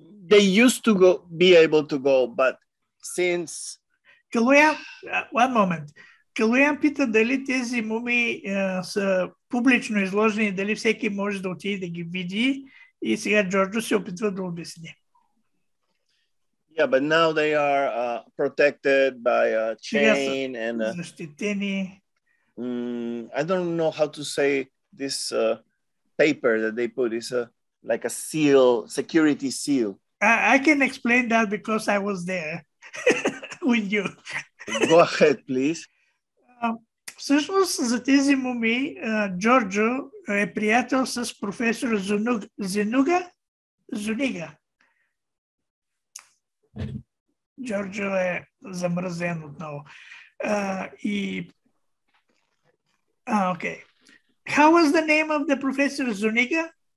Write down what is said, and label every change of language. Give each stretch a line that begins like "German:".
English: They used to go, be able to go, but since... Калуян, one moment.
Bulgarian: Калуян пита дали тези мумии са публично изложени, дали всеки може да отиде да ги види. И сега Джорджо се опитва да обясни.
English: Yeah, but now they are protected by a chain and
Bulgarian: защитени.
English: I don't know how to say this paper that they put is like a seal, security seal. I can explain that because I was there with you. Go ahead, please.
Bulgarian: Всъщност за тези мумии Джорджо е приятел с професор Зунига. Джорджо е замръзен отново.
English: Okay. How was the name of the professor Zuniga?